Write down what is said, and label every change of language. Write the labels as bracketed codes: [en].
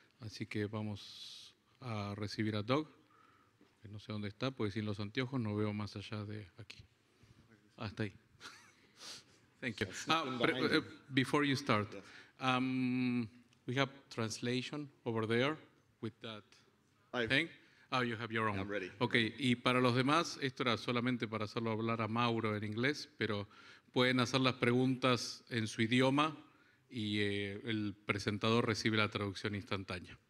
[es] Así que vamos a recibir a Doug, que no sé dónde está, porque sin los anteojos no veo más allá de aquí. Hasta ahí. [en] Thank you. Before you start, we have translation over there with that thing. Oh, you have your own. I'm ready. [es] Okay, y para los demás, esto era solamente para hacerlo hablar a Mauro en inglés, pero pueden hacer las preguntas en su idioma y el presentador recibe la traducción instantánea.